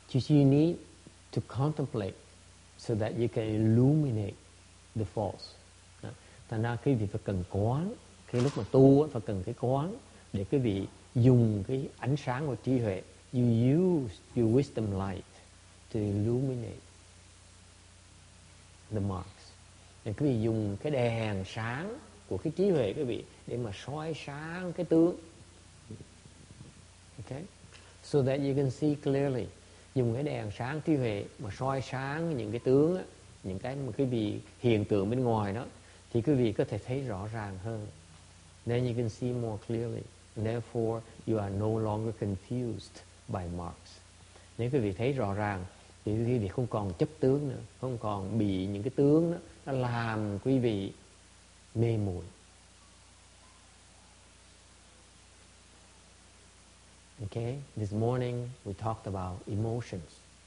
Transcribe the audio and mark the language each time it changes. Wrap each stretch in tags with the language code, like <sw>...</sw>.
<en>You need to contemplate so that you can illuminate the false.</en> <vi>Thành ra quý vị phải cần quán, cái lúc mà tu phải cần cái quán để quý vị dùng cái ánh sáng của trí huệ.</vi> <en>You use your wisdom light to illuminate the marks.</en> <vi>Để quý vị dùng cái đèn sáng của cái trí huệ quý vị để mà soi sáng cái tướng.</vi> <en>Okay? So that you can see clearly.</en> <vi>Dùng cái đèn sáng trí huệ mà soi sáng những cái tướng á, những cái mà quý vị hiện tượng bên ngoài đó, thì quý vị có thể thấy rõ ràng hơn.</vi> <en>Then you can see more clearly. Therefore, you are no longer confused by marks.</en> <vi>Nếu quý vị thấy rõ ràng, thì quý vị không còn chấp tướng nữa, không còn bị những cái tướng đó, nó làm quý vị mê muội.</vi> <en>Okay, this morning we talked about emotions.</en>